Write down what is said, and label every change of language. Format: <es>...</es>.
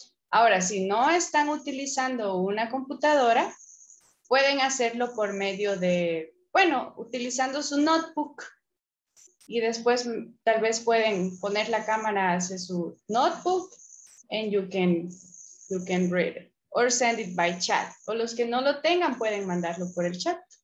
<es>Ahora, si no están utilizando una computadora, pueden hacerlo por medio de, bueno, utilizando su notebook. Y después tal vez pueden poner la cámara hacia su notebook.</es> <en>And you can read it or send it by chat.</en> <es>O los que no lo tengan pueden mandarlo por el chat.</es>